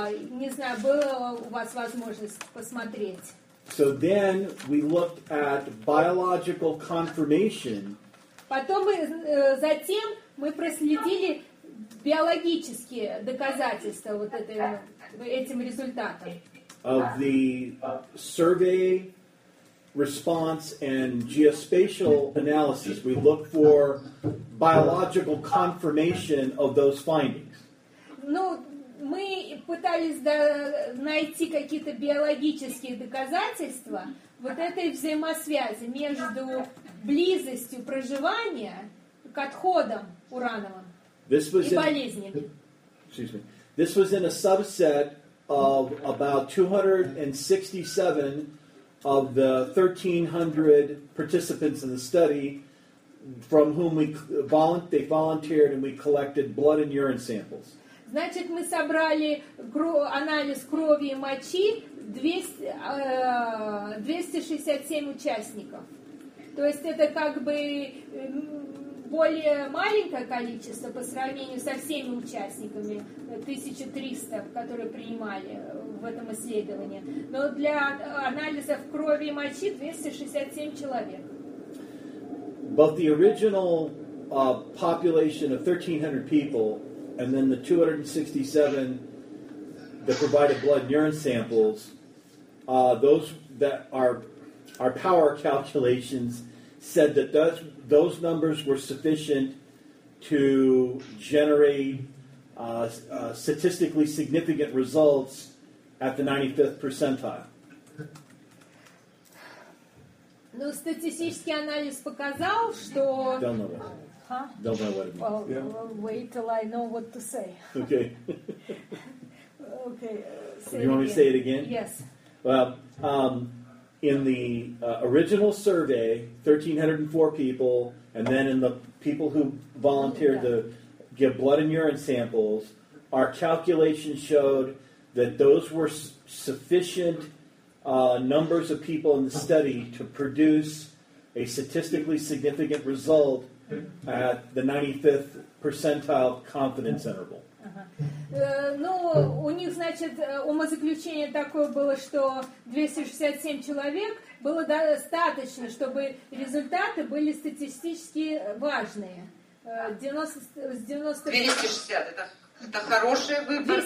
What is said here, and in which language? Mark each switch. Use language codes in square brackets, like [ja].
[ru] Не знаю, было у вас возможность посмотреть. [en] So then we looked at biological confirmation. [ru] Потом мы, затем мы проследили биологические доказательства вот этим результатом. [en] Of the survey response and geospatial analysis, we looked for biological confirmation of those findings. [ru] Ну, мы пытались найти какие-то биологические доказательства вот этой взаимосвязи между близостью проживания к отходам урановым и болезнями. [en] This was in a subset of about 267 of the 1,300 participants in the study, from whom they volunteered and we collected blood and urine samples. [ru] Значит, мы собрали анализ крови и мочи 267 участников. То есть это как бы более маленькое количество по сравнению со всеми участниками, 1300, которые принимали в этом исследовании. Но для анализа крови и мочи 267 человек. [en] But the original population of 1,300 people and then the 267 that provided blood and urine samples, those that our power calculations said that those numbers were sufficient to generate statistically significant results at the 95th percentile. [ru] Ну, статистический анализ показал, что... [en] Don't know what. Huh? Don't know what it means. Well, wait till I know what to say. Okay. Okay. You want me to say it again? Yes. Well, in the original survey, 1,304 people, and then in the people who volunteered to give blood and urine samples, our calculation showed that those were sufficient... numbers of people in the study to produce a statistically significant result at the 95th percentile confidence interval. [ru] Ну, у них, значит, умозаключение такое было, что 267 человек было достаточно, чтобы результаты были статистически важные. 260, это хорошая выборка.